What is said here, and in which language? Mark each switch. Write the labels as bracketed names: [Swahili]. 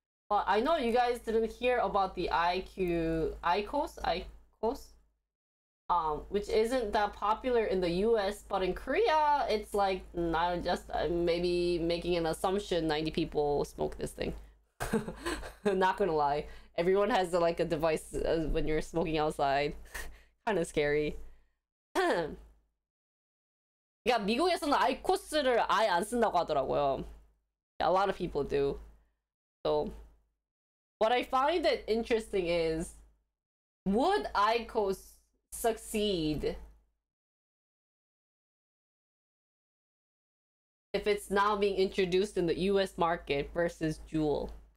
[English] But I know you guys didn't hear about the IQOS, which isn't that popular in the US, but in Korea, it's like, not just, maybe making an assumption 90 people smoke this thing. Not gonna lie. Everyone has like a device when you're smoking outside. Kind of scary. [Korean] 그러니까 미국에서는 아이코스를 아예 안 쓴다고 하더라고요. [English] A lot of people do. So what I find it interesting is, would IQOS succeed if it's now being introduced in the US market versus Juul?